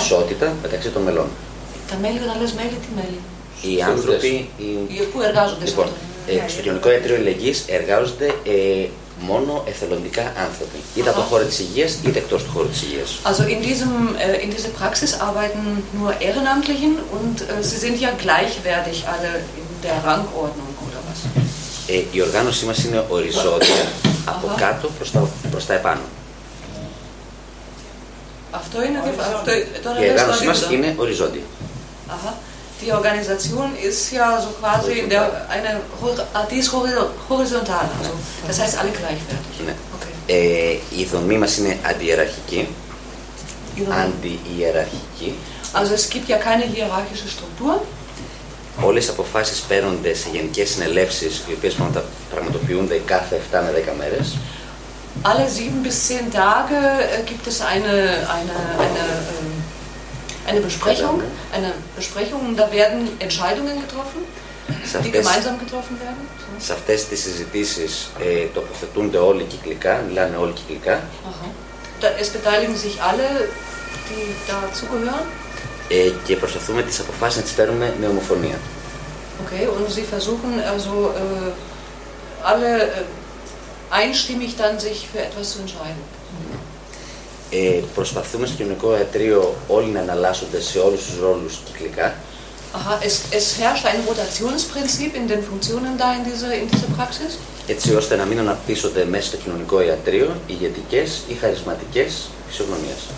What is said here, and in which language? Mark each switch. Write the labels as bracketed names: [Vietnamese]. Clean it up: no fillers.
[Greek] Ισότητα μεταξύ των μελών. Τα μέλη, όταν λες μέλη, τι μέλη? Οι στους άνθρωποι... Πού εργάζονται λοιπόν, στο κοινωνικό ιατρείο αλληλεγγύης εργάζονται μόνο εθελοντικά άνθρωποι. Uh-huh. Είτε από το χώρο της υγείας, είτε εκτός του χώρου της υγείας. [German] Also in dieser Praxis arbeiten nur Ehrenamtlichen und sie sind ja gleichwertig alle in der Rangordnung, oder was? [Greek] Η οργάνωσή μας είναι οριζόντια. Από uh-huh. κάτω προς τα επάνω. Αυτό είναι αυτό, τώρα η οργάνωσή μας είναι οριζόντια. [German] Die Organisation ist ja so quasi eine horizontal. Also, das heißt alle gleichwertig. [Greek] Ναι. Okay. Η δομή μας είναι αντιεραρχική. Αντιεραρχική. [German] Also es gibt ja keine hierarchische Struktur. [Greek] Όλες οι αποφάσεις παίρνονται σε γενικές συνελεύσεις, οι οποίες πραγματοποιούνται κάθε 7 με 10 μέρες. [German] Alle 7 bis 10 Tage gibt es eine Besprechung, und da werden Entscheidungen getroffen, die gemeinsam getroffen werden. [Greek] Σε αυτές τις συζητήσεις τοποθετούνται όλοι κυκλικά, μιλάνε όλοι κυκλικά. [German] Es beteiligen sich alle, die dazugehören. [Greek] Και προσπαθούμε τις αποφάσεις να τις παίρνουμε με ομοφωνία. [German] Okay, und Sie versuchen also alle einstimmig dann sich für etwas zu entscheiden. [Greek] Προσπαθούμε στο κοινωνικό ιατρείο όλοι να εναλλάσσονται σε όλους τους ρόλους κυκλικά. [German] Aha, es herrscht ein Rotationsprinzip in den Funktionen da in dieser Praxis. [Greek] Έτσι ώστε να μην αναπτύσσονται μέσα στο κοινωνικό ιατρείο ηγετικές ή χαρισματικές φυσιογνωμίες.